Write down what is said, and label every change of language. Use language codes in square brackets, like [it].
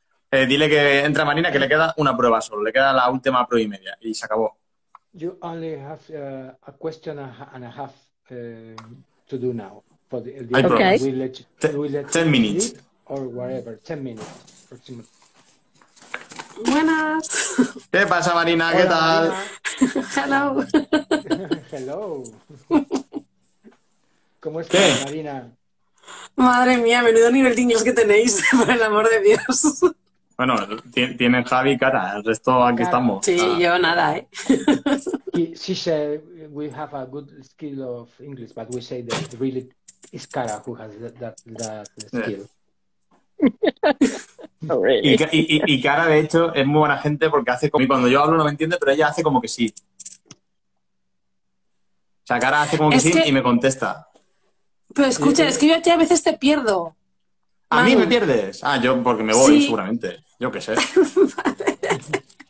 [es] Dile que entra Marina, que le queda una prueba solo. Le queda la última prueba y media. Y se acabó. [en] You only have a question and a half to do now. For the okay. Ten minutes. Or whatever. 10 minutes. Approximately. [es] Buenas. ¿Qué pasa, Marina? ¿Qué hola, tal? Marina. [en] Hello. [es] Hello. ¿Cómo estás, ¿qué? Marina? Madre mía, menudo nivel de inglés que tenéis, por el amor de Dios. Bueno, tienen Javi y Cara, el resto aquí Cara. Estamos. Sí, yo nada, ¿eh? [en] She said we have a good skill of English, but we say that really it's Cara who has that skill. Yeah. No, really. [es] Y Cara, de hecho, es muy buena gente porque hace como, cuando yo hablo no me entiende, pero ella hace como que sí. O sea, Cara hace como que sí y me contesta. Pero escucha, sí, es que yo a ti a veces te pierdo. ¿A mí me pierdes? Ah, yo porque me voy, sí, seguramente. Yo qué sé. Vale.